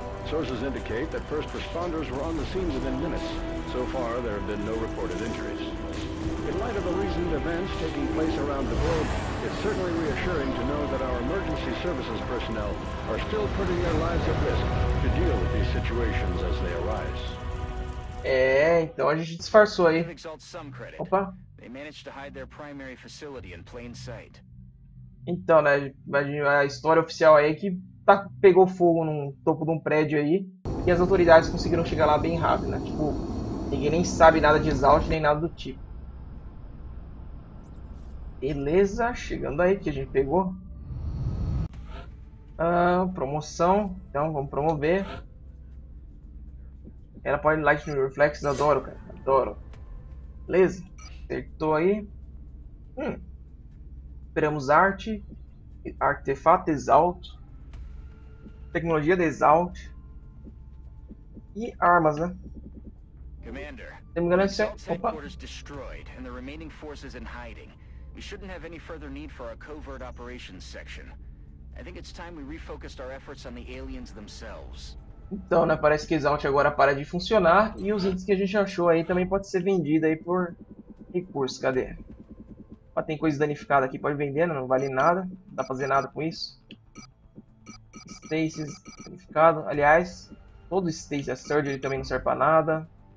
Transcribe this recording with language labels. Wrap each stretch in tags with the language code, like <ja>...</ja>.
<en>Sources indicate that first responders were on the scene within minutes. So far, there have been no reported injuries. In light of the recent events taking place around the globe, it's certainly reassuring to know that our emergency services personnel are still putting their lives at risk to deal with these situations as they arise.</en> <pt>É, então a gente disfarçou aí. Opa.</pt> <en>They managed to hide their primary facility in plain sight.</en> <pt>Então, né, a história oficial aí é que pegou fogo no topo de um prédio aí e as autoridades conseguiram chegar lá bem rápido, né? Tipo, ninguém nem sabe nada de exaust nem nada do tipo. Beleza, chegando aí que a gente pegou. Ah, promoção, então vamos promover. Ela pode light reflex, adoro, cara, adoro. Beleza, acertou aí. Esperamos arte, artefato exalto, tecnologia de exalt e armas, né?</pt> <en>Commander,</en> <pt>Se não me engano, esse é.</pt> <en>Exalt's</en> <pt>Opa!</pt> <en>headquarters destroyed, and the remaining forces in hiding. We shouldn't have any further need for our covert operations section. I think it's time we refocused our efforts on the aliens themselves.</en> <pt>Então, né, parece que Exalt agora para de funcionar e os itens que a gente achou aí também pode ser vendido aí por recursos. Cadê? Ó, tem coisa danificada aqui, pode vender, não vale nada, não dá pra fazer nada com isso. Stasis danificado, aliás, todo Stasis Surgery também não serve pra nada.</pt>